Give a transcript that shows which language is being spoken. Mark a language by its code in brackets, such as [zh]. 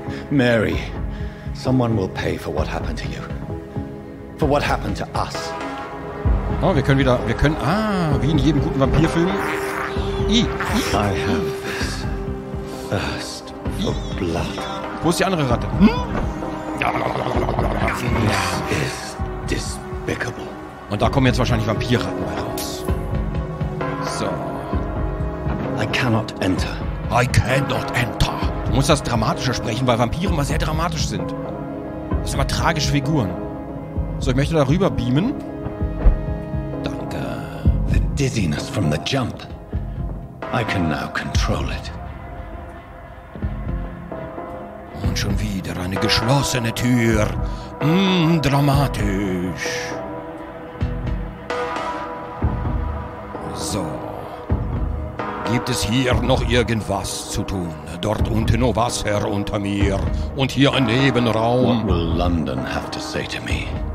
[en] Mary, someone will pay for what happened to you. For what happened to us. [de] Oh, wir können, wie in jedem guten Vampirfilm. [en] I have this thirst for blood. [de] Wo ist die andere Ratte? [en] This is despicable. [de] Und da kommen jetzt wahrscheinlich Vampirratten bei raus. So. [en] I cannot enter. I cannot enter. [de] Du musst das dramatischer sprechen, weil Vampire immer sehr dramatisch sind. Das sind immer tragische Figuren. So, ich möchte darüber beamen. [en] Danke. The dizziness from the jump. I can now control it. [de] Und schon wieder eine geschlossene Tür. Dramatisch. So, gibt es hier noch irgendwas zu tun? Dort unten nur Wasser unter mir und hier ein Nebenraum. [en] What will London have to say to me?